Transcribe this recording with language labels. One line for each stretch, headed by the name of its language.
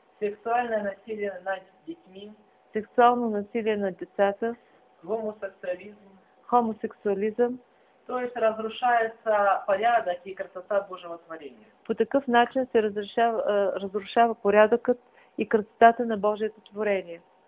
Russian: Сексуальное насилие над детьми.
Bulgarian: Сексуално насилие над децата.
Russian: Гомосексуализм.
Bulgarian: Хомосексуализъм.
Russian: То есть разрушается порядок и красота Божьего творения.
Bulgarian: По такъв начин се разрушава порядъкът и красотата на Божието творение.